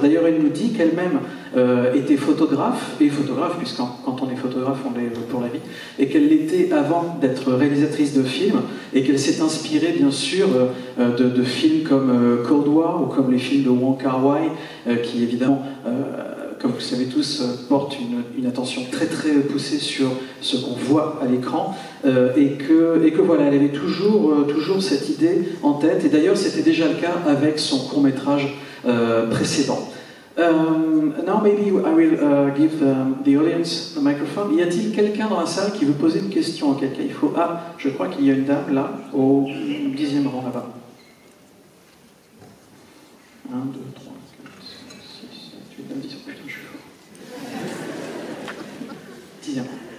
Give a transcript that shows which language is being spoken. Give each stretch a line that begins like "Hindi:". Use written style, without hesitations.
French: D'ailleurs, elle nous dit qu'elle-même était photographe, et photographe, puisque quand on est photographe, on l'est pour la vie, et qu'elle l'était avant d'être réalisatrice de films, et qu'elle s'est inspirée, bien sûr, de films comme Cold War, ou comme les films de Wong Kar-wai, qui, évidemment, comme vous le savez tous, porte une attention très très poussée sur ce qu'on voit à l'écran, et que voilà, elle avait toujours cette idée en tête, et d'ailleurs c'était déjà le cas avec son court-métrage précédent.
English: Now maybe I will give the audience the microphone.
French: Y a-t-il quelqu'un dans la salle qui veut poser une question à quelqu'un? Il faut... Ah, je crois qu'il y a une dame là, au 10e rang là-bas. 1, 2, 3, 4, 5, 6, 7, 8, 9, 10, 11, 12, 13, 14, 15, 16, 17, 18, 19, 20, 21, 22, 23, 24, 25, 26, 27, 28, 29, 30, 31, 32, 33, 34, 35, 36, 37,